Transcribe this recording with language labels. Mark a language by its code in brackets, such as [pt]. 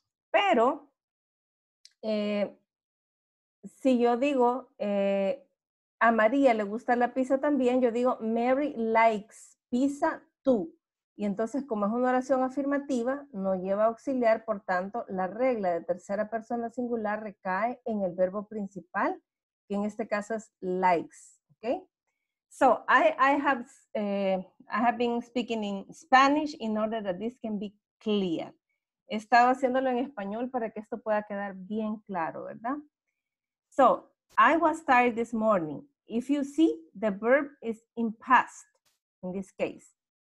[es] Pero si yo digo a María le gusta la pizza también, yo digo [en] Mary likes pizza too. [es] Y entonces, como es una oración afirmativa, no lleva auxiliar, por tanto, la regla de tercera persona singular recae en el verbo principal, que en este caso es likes, okay? [en] So, I have been speaking in Spanish in order that this can be clear. [es] He estado haciéndolo en español para que esto pueda quedar bien claro, ¿verdad? [en] So, I was tired this morning. If you see, the verb is in past, in this case.